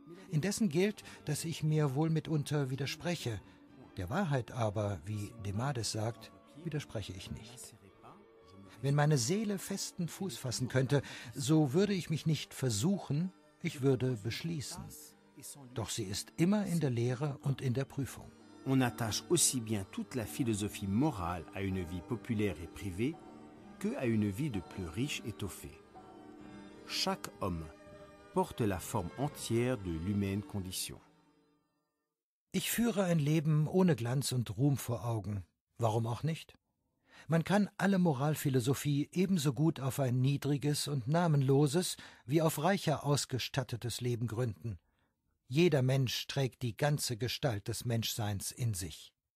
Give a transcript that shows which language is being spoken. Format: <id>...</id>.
<de>Indessen gilt, dass ich mir wohl mitunter widerspreche, der Wahrheit aber, wie Demades sagt, widerspreche ich nicht. Wenn meine Seele festen Fuß fassen könnte, so würde ich mich nicht versuchen, ich würde beschließen. Doch sie ist immer in der Lehre und in der Prüfung.</de> <fr>On attache aussi bien toute la philosophie morale à une vie populaire et privée que à une vie de plus riche étoffée. Chaque homme porte la forme entière de l'humaine condition.</fr> <de>Ich führe ein Leben ohne Glanz und Ruhm vor Augen. Warum auch nicht? Man kann alle Moralphilosophie ebenso gut auf ein niedriges und namenloses wie auf reicher ausgestattetes Leben gründen. Jeder Mensch trägt die ganze Gestalt des Menschseins in sich.</de>